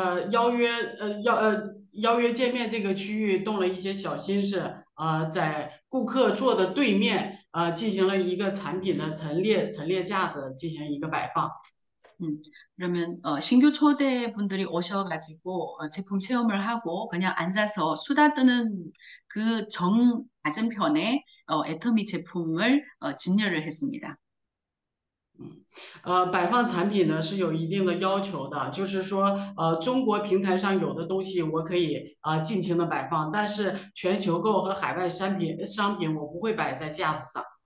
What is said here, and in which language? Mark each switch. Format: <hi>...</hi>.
<zh>邀约见面这个区域动了一些小心思，在顾客坐的对面，进行了一个产品的陈列架子进行一个摆放。</zh> <ko>그러면 신규 초대분들이 오셔가지고 제품 체험을 하고 그냥 앉아서 수다 떠는 그 정맞은편에 애터미 제품을 진열을 했습니다.</ko> <zh>摆放产品呢是有一定的要求的，就是说，中国平台上有的东西我可以尽情的摆放，但是全球购和海外商品我不会摆在架子上。</zh>